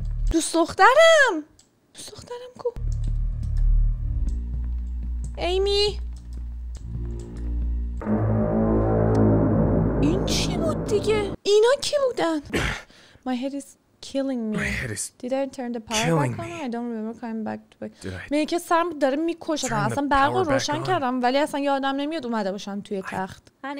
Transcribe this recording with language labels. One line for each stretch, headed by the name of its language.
Persian: دوست دخترم کو؟ ایمی این چی بود دیگه؟ اینا کی بودن؟
English: My head is killing me. Did I turn the power back on? I don't remember coming back to it.
Persian: من که سرم داره میکشدم. اصلا برق رو روشن کردم ولی اصلا یادم نمیاد اومده باشم توی تخت.